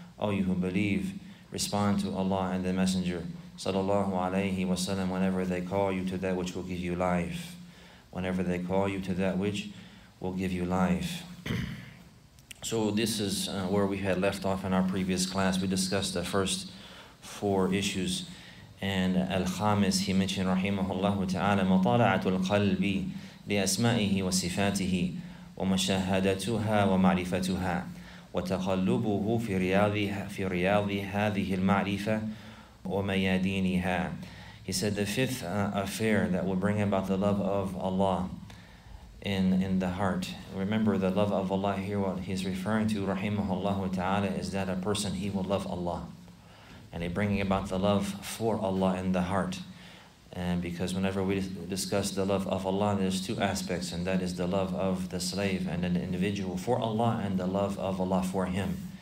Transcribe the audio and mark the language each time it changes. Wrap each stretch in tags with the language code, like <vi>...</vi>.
<en>O you who believe, respond to Allah and the Messenger sallallahu alayhi wa sallam whenever they call you to that which will give you life. Whenever they call you to that which will give you life. So this is where we had left off in our previous class. We discussed the first four issues. And Al-Khamis, he mentioned, rahimahullah ta'ala,</en> <ar>مَطَالَعَةُ الْقَلْبِ لِأَسْمَائِهِ وَصِفَاتِهِ وَمَشَهَدَتُهَا وَمَعْرِفَتُهَا وَتَقَلُّبُهُ فِي رِيَاضِ هَذِهِ الْمَعْرِفَةِ وَمَيَادِينِهَا.</ar> <en>He said the fifth affair that will bring about the love of Allah in the heart. Remember, the love of Allah here, what he's referring to, rahimahullah ta'ala, is that a person, he will love Allah. And it bringing about the love for Allah in the heart. And because whenever we discuss the love of Allah, there's two aspects, and that is the love of the slave and an individual for Allah, and the love of Allah for him.</en>